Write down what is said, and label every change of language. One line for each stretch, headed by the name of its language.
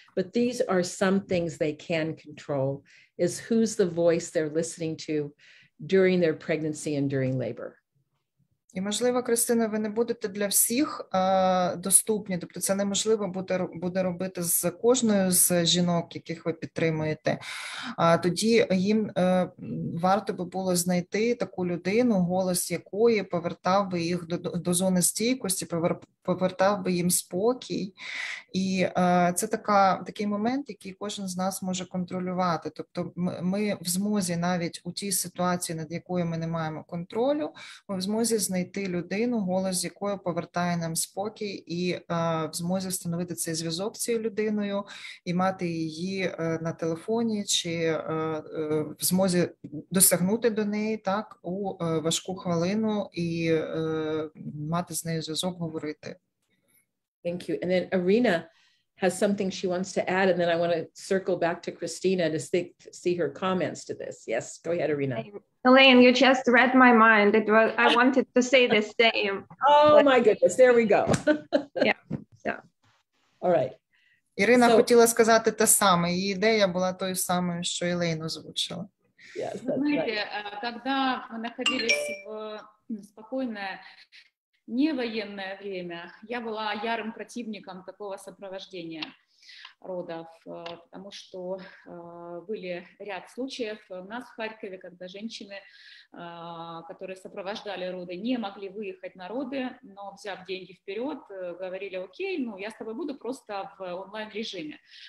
English: But these are some things they can control, is who's the voice they're listening to during their pregnancy and during labor.
Ukrainian: І, можливо, Кристина, ви не будете для всіх доступні, тобто це неможливо буде робити з кожною з жінок, яких ви підтримуєте. А тоді їм варто би було знайти таку людину, голос якої повертав би їх до зони стійкості, повертав би їм спокій. І це такий момент, який кожен з нас може контролювати. Тобто ми в змозі навіть у тій ситуації, над якою ми не маємо контролю, ми в змозі знайти людину, голос з якою повертає нам спокій, і в змозі встановити цей зв'язок з цією людиною і мати її на телефоні, чи в змозі досягнути до неї так у важку хвилину і мати з нею зв'язок, говорити.
English: Thank you. And then Arina has something she wants to add, and then I want to circle back to Christina to see her comments to this. Yes, go ahead, Arina. Elaine, you just read my mind. I wanted to say the same. Oh, but my goodness, there we go. Yeah, so. All right.
Ukrainian: Ірина хотіла сказати те саме. Її ідея була тою самою, що Елейн озвучила.
English: Yes, that's right.
Russian: Когда мы находились в спокойное невоенное время, я была ярым противником такого сопровождения родов, потому что были ряд случаев у нас в Харькове, когда женщины, которые сопровождали роды, не могли выехать на роды, но, взяв деньги вперед, говорили: окей, ну я с тобой буду, просто в онлайн-режиме.